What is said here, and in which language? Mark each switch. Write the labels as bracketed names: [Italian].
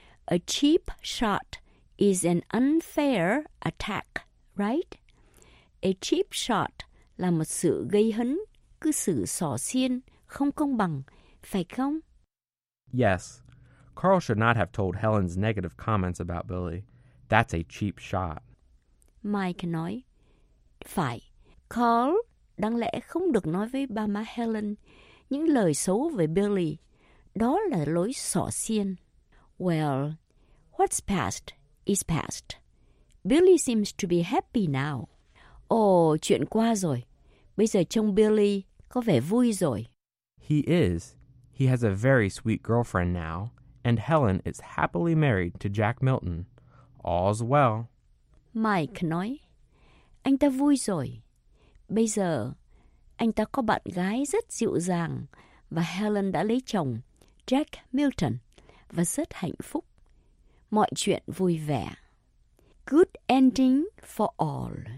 [English] A cheap shot is an unfair attack, right? A cheap shot [Vietnamese] là một sự gây hấn, cứ sự xỏ xiên, không công bằng, phải không? [English] Yes. Carl should not have told Helen's negative comments about Billy. That's a cheap shot. [Vietnamese] Mike nói, phải, Carl đáng lẽ không được nói với ba má Helen những lời xấu về Billy. Đó là lối xỏ xiên. [English] Well, what's past is past. Billy seems to be happy now. [Vietnamese] Oh, chuyện qua rồi. Bây giờ trông Billy có vẻ vui rồi. [English] He is. He has a very sweet girlfriend now. And Helen is happily married to Jack Milton. All's well. [Vietnamese] Mike nói, anh ta vui rồi. Bây giờ, anh ta có bạn gái rất dịu dàng và Helen đã lấy chồng, Jack Milton, và rất hạnh phúc. Mọi chuyện vui vẻ. [English] Good ending for all.